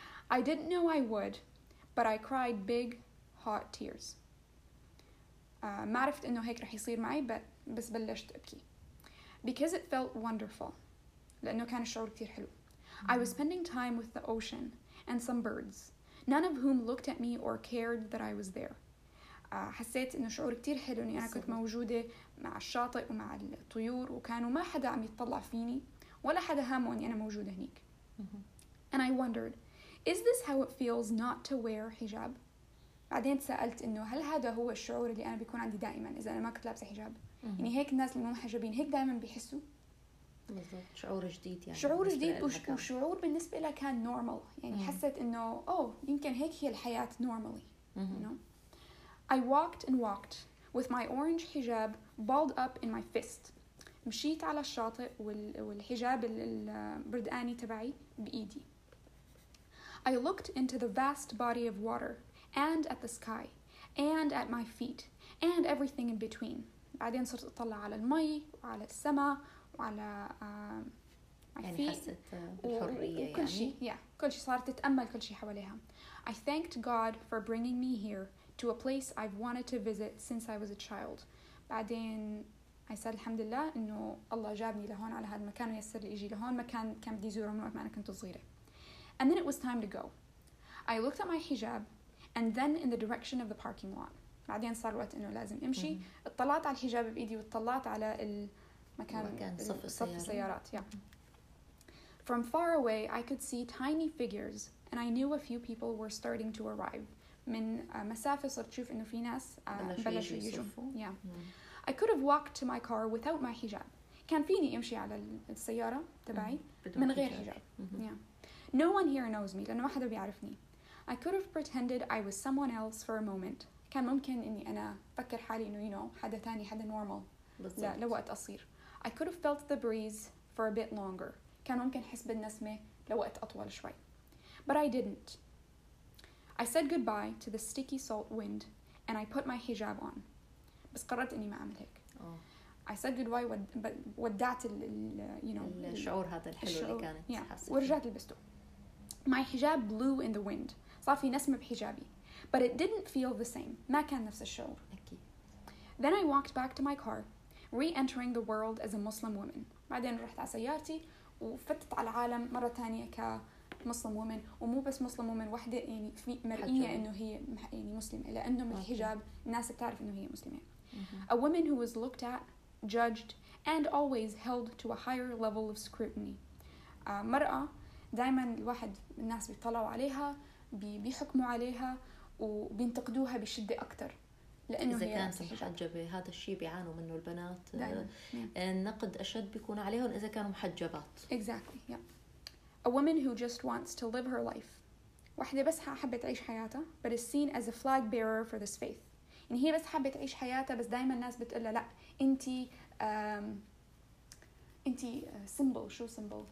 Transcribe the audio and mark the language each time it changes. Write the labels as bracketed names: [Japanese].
[English] I didn't know I would, but I cried big hot tears. [Arabic] ما عرفت انه هيك رح يصير معي بس بلشت ابكي. [English] Because it felt wonderful. [Arabic] لأنه كان الشعور كتير حلو. [English] I was spending time with the ocean and some birds, none of whom looked at me or cared that I was there. [Arabic] حسيت إنه شعور كتير حلو إني أنا كنت موجودة مع الشاطئ ومع الطيور وكانوا ما حدا عم يتطلع فيني ولا حدا هامه إني أنا موجودة هنيك. [English] And I wondered, is this how it feels not to wear hijab? [Arabic] بعدين سألت إنه هل هذا هو الشعور اللي أنا بيكون عندي دائما إذا أنا ما كنت لابسة حجاب؟ يعني هيك الناس اللي مو محجبين هيك دائما بيحسوا؟ بالضبط. شعور جديد يعني. شعور جديد وشعور بالنسبة لها كان normal يعني حسيت إنه يمكن هيك هي الحياة normally. [English] I walked and walked with my orange hijab balled up in my fist. [Arabic] مشيت على الشاطئ والحجاب البردقاني تبعي بإيدي. [English] I looked into the vast body of water and at the sky and at my feet and everything in between. [Arabic] بعدين صرت أطلع على المي وعلى السماء وعلى [English] my يعني feet [Arabic] وكل شيء. Yeah, كل شيء صارت تتأمل كل شيء حواليها. [English] I thanked God for bringing me here to a place I've wanted to visit since I was a child. [Arabic] بعدين [English] I said [Arabic] الحمد لله إنه الله جابني لهون على هذا المكان ويسر لي إجي لهون مكان كان بدي زوره من وقت ما أنا كنت صغيرة. [English] And then it was time to go. I looked at my hijab and then in the direction of the parking lot. [Arabic] بعدين صار وقت إنه لازم أمشي. اطلعت على الحجاب بإيدي واطلعت على المكان صف السيارات. [English] From far away I could see tiny figures and I knew a few people were starting to arrive. [Arabic] من مسافة صرت شوف إنه في ناس بلشوا يجوا. [English] I could have walked to my car without my hijab. [Arabic] كان فيني أمشي على السيارة تبعي من غير حجاب. [English] No one here knows me. [Arabic] لأنه ما حدا بيعرفني. [English] I could have pretended I was someone else for a moment. [Arabic] كان ممكن إني أنا فكر حالي إنه حدا تاني حدا normal. لوقت قصير. [English] I could have felt the breeze for a bit longer. [Arabic] كان ممكن حس بالنسمة لوقت أطول شوي. [English] But I didn't. I said goodbye to the sticky salt wind and I put my hijab on. [Arabic] بس قررت إني ما أعمل هيك. [English] I said goodbye [Arabic] ودعت الشعور هذا الحلو الشعور. اللي كانت حاسة ورجعت لبسته. [English] My hijab blew in the wind. [Arabic] صافي نسمة بحجابي. [English] But it didn't feel the same. [Arabic] ما كان نفس الشعور. [English] Then I walked back to my car, re-entering the world as a Muslim woman. [Arabic] بعدين رحت على سيارتي وفتت على العالم مرة تانية كمسلم وومن ومو بس مسلم وومن وحدة يعني في مرئية إنه هي يعني مسلمة لأنه من الحجاب الناس بتعرف إنه هي مسلمة. [English] A woman who was looked at, judged, and always held to a higher level of scrutiny. [Arabic] مرأة دائما الواحد الناس بيطلعوا عليها بيحكموا عليها وبينتقدوها بشدة أكتر لأنه إذا هي كانت محجبة هذا الشيء بيعانوا منه البنات النقد أشد بيكون عليهم إذا كانوا محجبات [English] exactly A woman who just wants to live her life [Arabic] واحدة بس حابة تعيش حياتها [English] but is seen as a flag bearer for this faith [Arabic] يعني هي بس حابة تعيش حياتها بس دائما الناس بتقولها لا أنتي انتي سيمبل شو سيمبل